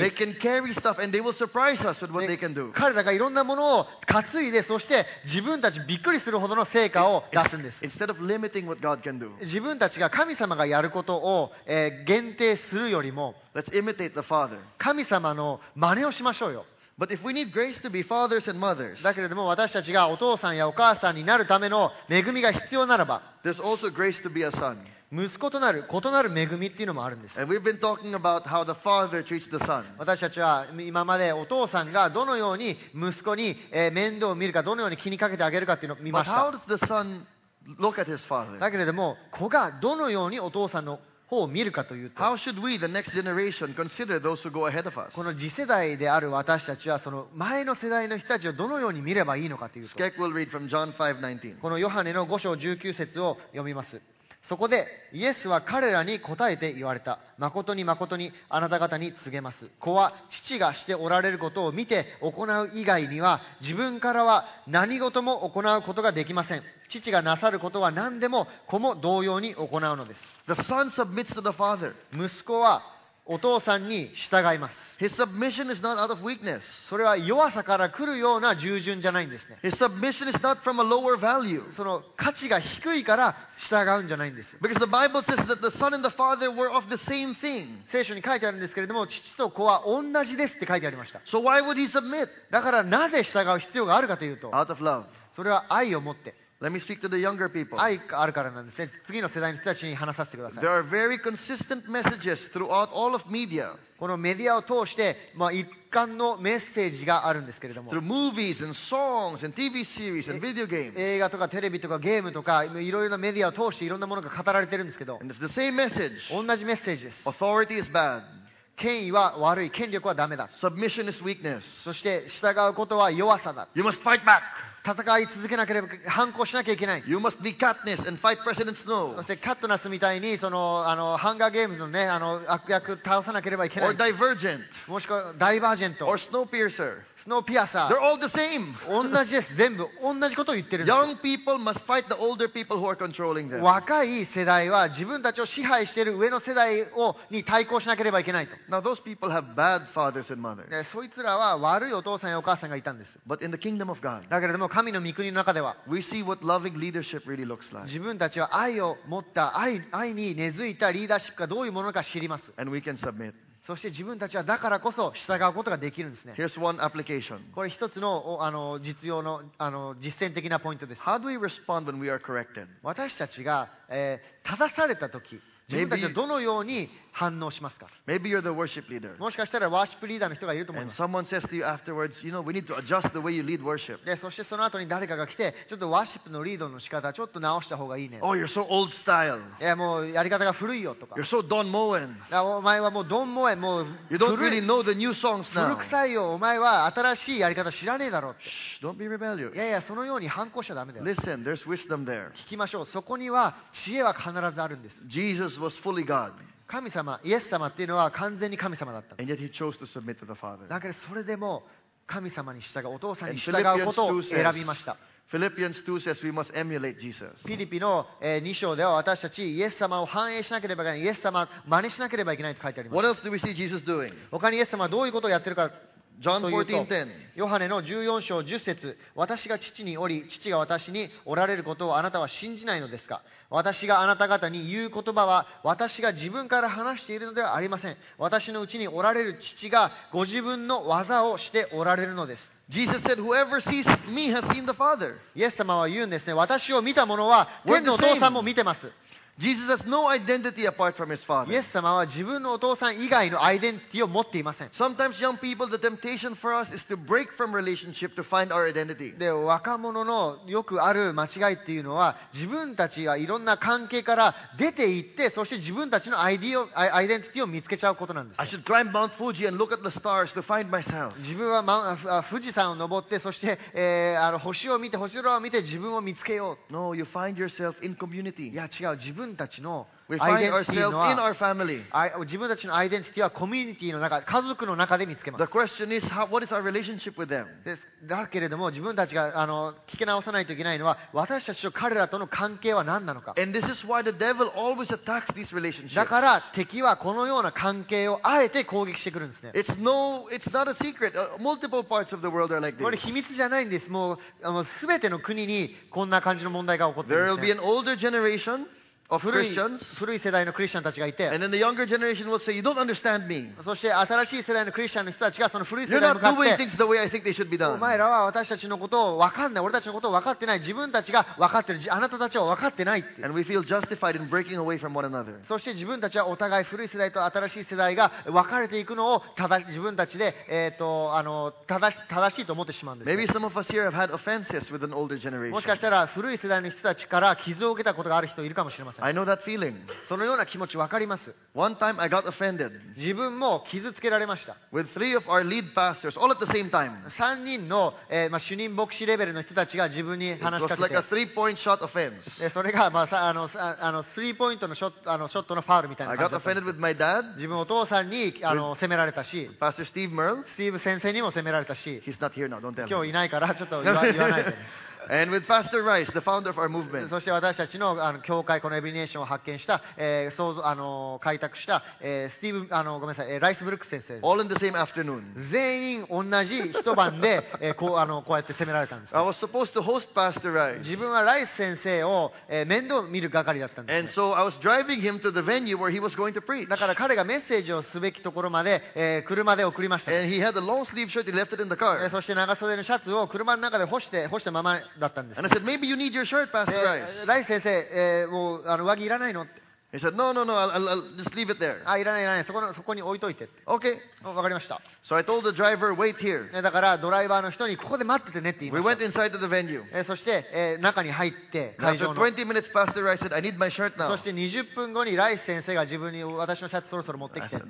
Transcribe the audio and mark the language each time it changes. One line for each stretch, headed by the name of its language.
English: they can carry stuff and they will surprise us with what they can do.
Japanese: 彼らがいろんなものを担いで、そして自分たちびっくりするほどの成果を出すんです。
English: Instead of limit What God can do.
Japanese: 自分たちが神様がやることを、限定するよりも
English: Let's imitate the Father.
Japanese: 神様の真似をしましょうよ。
English: But if we need grace to be fathers and mothers,
Japanese: だけれども私たちがお父さんやお母さんになるための恵みが必要ならば
English: There's also grace to be a son.
Japanese: 息子となる異なる恵みっていうのもあるんです。
English: And we've been talking about how the father treats the son.
Japanese: 私たちは今までお父さんがどのように息子に面倒を見るか、どのように気にかけてあげるかっていうのを見ました。
English: But how does the son Look at his father.
Japanese: だけれども子がどのようにお父さんの方を見るかというと、
English: How should we, the next generation, consider those who go ahead of us?
Japanese: この次世代である私たちはその前の世代の人たちをどのように見ればいいのかというと、
English: Skek will read from John 5:19.
Japanese: このヨハネの5章19節を読みます。そこでイエスは彼らに答えて言われた。誠に誠にあなた方に告げます、子は父がしておられることを見て行う以外には自分からは何事も行うことができません。父がなさることは何でも子も同様に行うのです。
English: The son submits to the father.
Japanese: 息子はお父さんに従います。
English: His submission is not out of weakness.
Japanese: それは弱さから来るような従順じゃないんですね。
English: His submission is not from a lower value.
Japanese: その価値が低いから従うんじゃないんです。
English: Because the Bible says that the son and the father were of the same thing.
Japanese: 聖書に書いてあるんですけれども、父と子は同じですって書いてありました。
English: So why would he submit?
Japanese: だからなぜ従う必要があるかというと、
English: out of love.
Japanese: それは愛を持って、
English: Let me speak to the younger people.
Japanese: 愛があるからなんですね。次の世代の人たちに話させてください。
English: There are very consistent messages throughout all of media.
Japanese: このメディアを通して、まあ、一貫のメッセージがあるんですけれども、
English: Through movies and songs and TV series and video games.
Japanese: 映画とかテレビとかゲームとかいろいろなメディアを通していろんなものが語られてるんですけど、
English: And it's the same message.
Japanese: 同じメッセージです。
English: Authority is bad.
Japanese: 権威は悪い。権力はダメだ。
English: Submission is weakness.
Japanese: そして従うことは弱さだ。
English: You must fight back.
Japanese: 戦い続けなければ、反抗しなきゃいけない。
English: You must be Katniss and fight President Snow.
Japanese: そしてカットナスみたいにあのハンガーゲームズのね、あの悪役倒さなければいけない。
English: Or Divergent.
Japanese: もしくはダイバージェント。
English: Or Snowpiercer.
Japanese: スノーピアサー。
English: They're all the same.
Japanese: 同じです。全部同じことを言ってるんです。
English: Young people must fight the older people who are controlling them.
Japanese: 若い世代は自分たちを支配している上の世代をに対抗しなければいけないと。
English: Now those people have bad fathers and mothers.
Japanese: そいつらは悪いお父さんやお母さんがいたんです。
English: But in the kingdom of God.
Japanese: だけれども神の御国の中では、
English: We see what loving leadership really looks like.
Japanese: 自分たちは愛を持った、愛に根付いたリーダーシップがどういうものか知ります。
English: And we can submit.
Japanese: そして自分たちはだからこそ従うことができるんですね。
English: Here's one application.
Japanese: これ一つの、実用の、実践的なポイントです。
English: How do we respond when we are corrected?
Japanese: 私たちが、正された時、自分たちはどのように反応しますか。
English: Maybe you're the worship leader.
Japanese: もしかしたらワーシップリーダーの人がいると思います。
English: And someone says to you afterwards, you know, we need to adjust the way you lead worship.
Japanese: で、そしてその後に誰かが来て、ちょっとワーシップのリードの仕方ちょっと直した方がいいね。
English: Oh, you're so old style.
Japanese: いや、もうやり方が古いよとか。
English: You're so Don Moen.
Japanese: お前はもうドン・モエン、もう
English: You don't really know the new songs now.
Japanese: 古臭いよ。お前は新しいやり方知らねえだろって。
English: Shh, don't be rebellious.
Japanese: いやいや、そのように反抗しちゃダメだよ。
English: Listen, there's wisdom there.
Japanese: 聞きましょう。そこには知恵は必ずあるんです。
English: Jesus was fully God.
Japanese: 神様、イエス様っていうのは完全に神様だったんです。だからそれでも神様に従う、お父さんに従うことを選びました。
English: Philippians 2 says we must emulate Jesus.
Japanese: フィリピの2章では私たちイエス様を反映しなければいけない、イエス様を真似しなければいけないと書いてあります。
English: What else do we see Jesus doing?
Japanese: 他にイエス様はどういうことをやってるかというと、
English: John 14:10.
Japanese: ヨハネの14章10節、私が父におり、父が私におられることをあなたは信じないのですか？私があなた方に言う言葉は私が自分から話しているのではありません。私のうちにおられる父がご自分の技をしておられるのです。
English: Jesus said, whoever sees me has seen the Father.
Japanese: イエス様は言うんですね。私を見た者は天のお父さんも見てます。
English: Jesus has no identity apart from his father.
Japanese: イエス様は自分のお父さん以外のアイデンティティを持っていません。
English: Sometimes young people, the temptation for us is to break from relationship to find our identity.
Japanese: で、若者のよくある間違いっていうのは、自分たちがいろんな関係から出ていって、そして自分たちのアイデンティティを見つけちゃうことなんです。
English: I should climb Mount Fuji and look at the stars to find myself.
Japanese: 自分は富士山を登って、そして、星を見て、星空を見て自分を見つけよう。
English: No, you find yourself in community.
Japanese: いや、違う。自分たちのアイデンティティのは、自分たちのアイデンティティはコミュニティの中、家族の中で見つけます。
English: The question is, what is our relationship with them?
Japanese: だけれども、自分たちが聞き直さないといけないのは、私たちと彼らとの関係は何なのか。
English: And this is why the devil always attacks these relationships.
Japanese: だから敵はこのような関係をあえて攻撃してくるんですね。
English: It's not a secret. Multiple parts of the world are like this.
Japanese: これ秘密じゃないんです。もう全ての国にこんな感じの問題が起こっているんですね。
English: There will be an older generation.
Japanese: 古い世代のクリスチャンたちがいて、
English: And then the younger generation will say, you don't understand me.
Japanese: そして新しい世代のクリスチャンの人たちがその古い世代に向かって、
English: You're not doing things the way I think they should be done.
Japanese: お前らは私たちのことを分かんない、俺たちのことを分かってない、自分たちが分かってる、あなたたちは分かってないって。
English: And we feel justified in breaking away from one another.
Japanese: そして自分たちはお互い古い世代と新しい世代が分かれていくのを自分たちで正しいと思ってしまうんです、
English: ね。Maybe some of us here have had offenses with an older generation.
Japanese: もしかしたら古い世代の人たちから傷を受けたことがある人いるかもしれません。
English: I know that feeling.
Japanese: そのような気持ち分かります。
English: One time I got offended.
Japanese: 自分も傷つけられました。
English: With three of our lead pastors, all at the same time.
Japanese: 3人の、主任牧師レベルの人たちが自分に話しかけて。
English: It was like a three-point shot offense.
Japanese: それが、3ポイントのショットのファウルみたいな感じだった。
English: I got offended with my dad.
Japanese: 自分お父さんに責められたし。
English: Pastor Steve Merle.
Japanese: スティーブ先生にも責められたし。
English: He's not here now. Don't tell him.
Japanese: 今日いないからちょっと言わないでね。
English: And with Pastor Rice, the founder of our movement.
Japanese: そして私たちの教会このエビネーションを発見した、開拓した、スティーブ、ごめんなさい、ライスブルック先生。
English: All in the same afternoon.
Japanese: 全員同じ一晩で、こうやって責められたんです、ね。
English: I was supposed to host Pastor Rice.
Japanese: 自分はライス先生を、面倒見る係だったんです、ね。
English: And so I was driving him to the venue where he was going to preach.
Japanese: だから彼がメッセージをすべきところまで、車で送りました。
English: And he had a long sleeve shirt. He left it in the car.
Japanese: そして長袖のシャツを車の中で干したまま。だったんです。
English: And I said, maybe you need your shirt, Pastor Rice.
Japanese: ライス先生、もう上着いらないのって。
English: He said, no, I'll just leave it there.
Japanese: あ、いらない、いらない。そこに置いといてって。
English: Okay.
Japanese: わかりました。
English: So I told the driver, wait here.
Japanese: だからドライバーの人にここで待っててねって言いました。
English: We went inside the venue.
Japanese: そして、中に入って会場の。
English: After 20 minutes, Pastor Rice said, I need my shirt now.
Japanese: そして20分後にライス先生が自分に私のシャツそろそろ持ってきて。